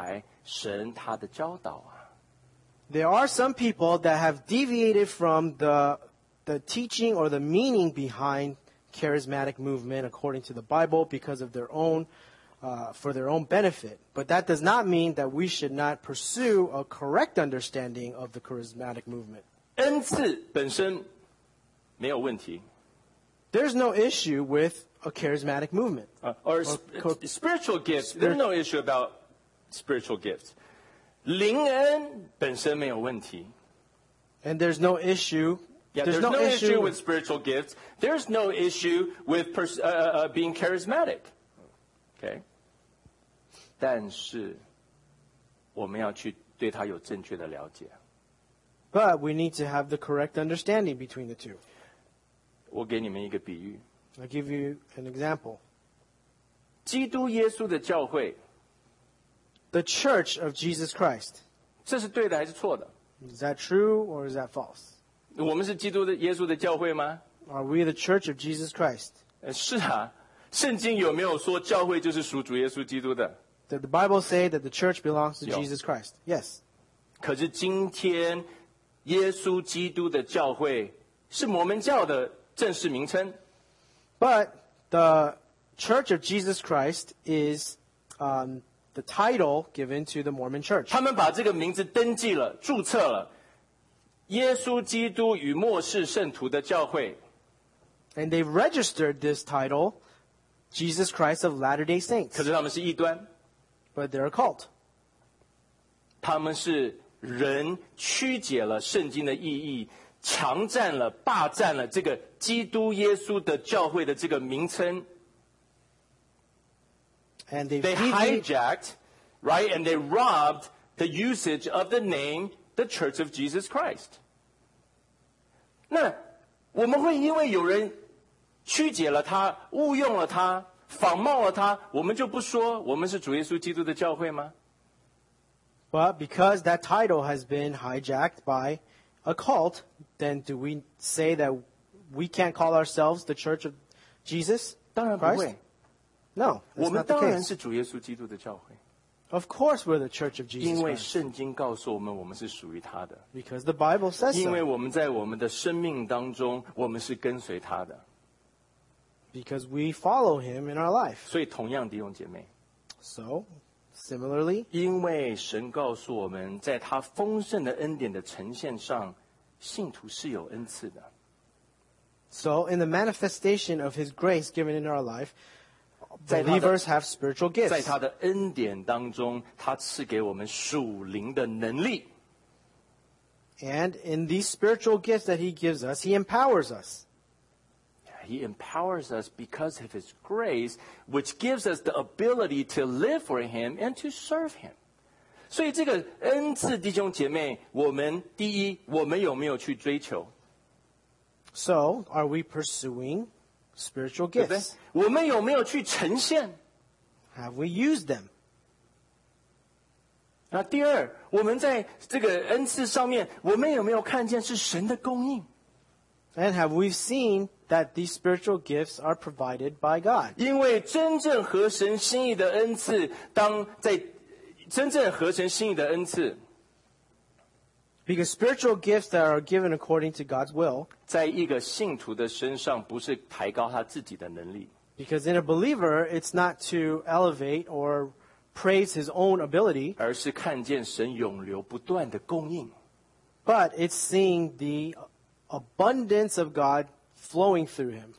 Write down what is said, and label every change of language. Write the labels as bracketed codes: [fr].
[zh] 今天有些人曲解了圣经上面所讲到的灵恩，而用他们自己人的方式，为了他们自己人的利益而扭曲了这个灵恩的这个词。但是这并不表示我们需要认真的去明白神他的教导啊。 [en] There are some people that have deviated from the teaching or the meaning behind charismatic movement according to the Bible because of their own, for their own benefit. But that does not mean that we should not pursue a correct understanding of the charismatic movement. [zh] 恩赐本身没有问题。 [en] There's no issue with a charismatic movement. Spiritual gifts, there's no issue about spiritual gifts. [zh] 灵恩本身没有问题。 [en] And there's no issue. Yeah, there's no issue with spiritual gifts. There's no issue with being charismatic. Okay. [zh] 但是我们要去对它有正确的了解。 [en] But we need to have the correct understanding between the two. [zh] 我给你们一个比喻。 [en] I give you an example. [zh] 基督耶稣的教会。 [en] The Church of Jesus Christ. [zh] 这是对的还是错的？ [en] Is that true or is that false? [zh] 我们是基督的耶稣的教会吗？ [en] Are we the Church of Jesus Christ? [zh] 是啊，圣经有没有说教会就是属主耶稣基督的？ [en] Did the Bible say that the Church belongs to Jesus Christ? Yes. [zh] 可是今天耶稣基督的教会是摩门教的正式名称。 [en] But the Church of Jesus Christ is the title given to the Mormon Church. [zh] 他们把这个名字登记了，注册了，耶稣基督与末世圣徒的教会。 [en] And they registered this title, Jesus Christ of Latter-day Saints. [zh] 可是他们是异端。 [en] But they're a cult. [zh] 他们是人曲解了圣经的意义，强占了、霸占了这个基督耶稣的教会的这个名称。 [en] And they hijacked, right? And they robbed the usage of the name, the Church of Jesus Christ. [zh] 那我们会因为有人曲解了他、误用了他、仿冒了他，我们就不说我们是主耶稣基督的教会吗？ [en] But because that title has been hijacked by a cult, then do we say that we can't call ourselves the Church of Jesus Christ? No, that's not the case. Of course we're the Church of Jesus Christ. [zh] 因为圣经告诉我们我们是属于他的。 [en] Because the Bible says so. [zh] 因为我们在我们的生命当中我们是跟随他的。 [en] Because we follow him in our life. [zh] 所以同样弟兄姐妹。 [en] So, similarly. [zh] 因为神告诉我们在他丰盛的恩典的呈现上信徒是有恩赐的。 [en] So, in the manifestation of his grace given in our life, believers have spiritual gifts. [zh] 在他的恩典当中他赐给我们属灵的能力。 [en] And in these spiritual gifts that he gives us, he empowers us. He empowers us because of his grace, which gives us the ability to live for him and to serve him. [zh] 所以这个恩赐弟兄姐妹，我们第一，我们有没有去追求？ [en] So, are we pursuing spiritual gifts? [zh] 对不对？我们有没有去呈现？ [en] Have we used them? [zh] 那第二，我们在这个恩赐上面，我们有没有看见是神的供应？ [en] And have we seen that these spiritual gifts are provided by God? [zh] 因为真正合神心意的恩赐，当在真正合神心意的恩赐。 [en] Because spiritual gifts that are given according to God's will, [zh] 在一个信徒的身上不是抬高他自己的能力。 [en] Because in a believer, it's not to elevate or praise his own ability, [zh] 而是看见神永流不断的供应。 [en] But it's seeing the abundance of God flowing through him.